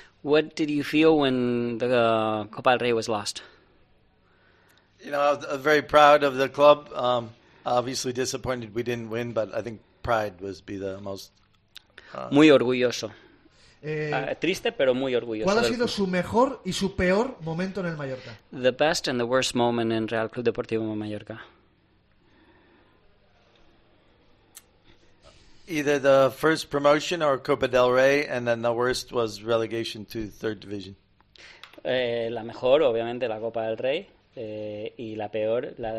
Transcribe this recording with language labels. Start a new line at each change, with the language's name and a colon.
English: What did you feel when the Copa del Rey was lost? You know, I was very proud of the club. Obviously disappointed we didn't win, but I think pride would be the most...
Spanish: Muy orgulloso. Triste, pero muy orgulloso. ¿Cuál ha sido su mejor y su peor momento en el Mallorca?
English: The best and the worst moment in Real Club Deportivo Mallorca. Either the first promotion or Copa del Rey, and then the worst was relegation to third division.
Spanish: La mejor, obviamente, la Copa del Rey, y la peor,